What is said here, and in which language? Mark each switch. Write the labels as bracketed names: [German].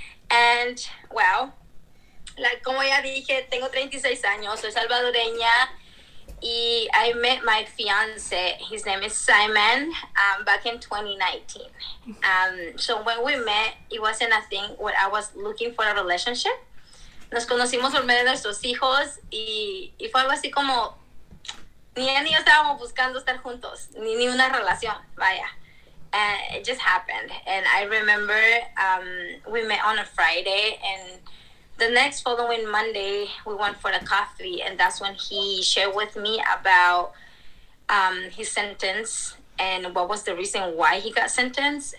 [English] And, well, like, [Spanish] como ya dije, tengo 36 años, soy salvadoreña. [English] Y I met my fiancé, his name is Simon, back in 2019. So when we met, it wasn't a thing where I was looking for a relationship. [Spanish] Nos conocimos por medio de nuestros hijos y fue algo así como, ni él ni yo estábamos buscando estar juntos, ni una relación, vaya. [English] And it just happened. And I remember we met on a Friday, and the next following Monday, we went for a coffee, and that's when he shared with me about his sentence and what was the reason why he got sentenced.